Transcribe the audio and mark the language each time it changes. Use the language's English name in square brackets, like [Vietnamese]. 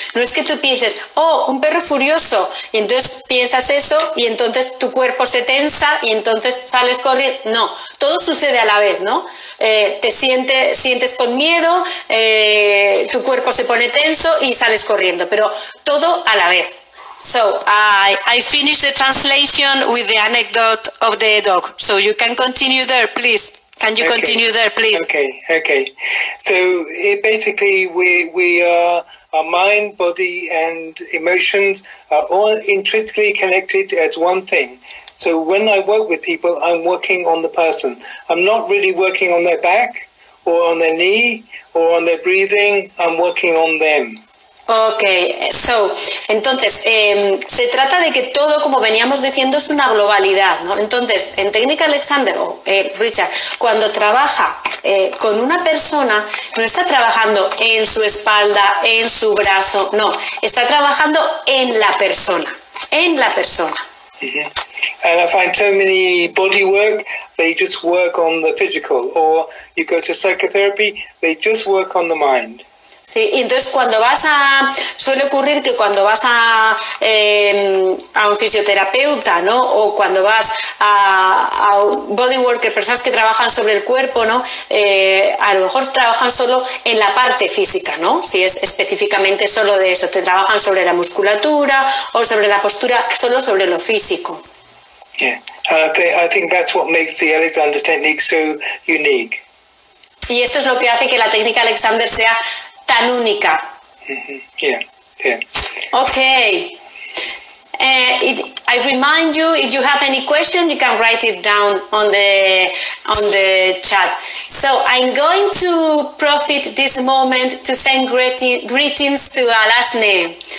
[Spanish] No es que tú pienses, oh, un perro furioso, y entonces piensas eso y entonces tu cuerpo se tensa y entonces sales corriendo. No, todo sucede a la vez, ¿no? Te sientes con miedo, tu cuerpo se pone tenso y sales corriendo, pero todo a la vez. [English] So I finished the translation with the anecdote of the dog. So you can continue there, please. Can you continue there, please? Okay. So basically, our mind, body, and emotions are all intrinsically connected as one thing. So when I work with people, I'm working on the person. I'm not really working on their back or on their knee or on their breathing. I'm working on them. Okay, so, [Spanish] entonces, se trata de que todo, como veníamos diciendo, es una globalidad, ¿no? Entonces, en técnica Alexander, Richard, cuando trabaja con una persona, no está trabajando en su espalda, en su brazo, no. Está trabajando en la persona, en la persona. Mm-hmm. [English] And I find so many body work, they just work on the physical. Or you go to psychotherapy, they just work on the mind. [Spanish] Sí, entonces cuando vas a, suele ocurrir que cuando vas a a un fisioterapeuta, ¿no? O cuando vas a bodyworker, personas que trabajan sobre el cuerpo, ¿no? A lo mejor trabajan solo en la parte física, ¿no? Si es específicamente solo de eso, te trabajan sobre la musculatura o sobre la postura, solo sobre lo físico. [English] I think that's what makes the Alexander technique so unique. [Spanish] Y esto es lo que hace que la técnica Alexander sea tan única. [English] Okay. If I remind you, if you have any question, you can write it down on the chat. So I'm going to profit this moment to send greetings to Alasne.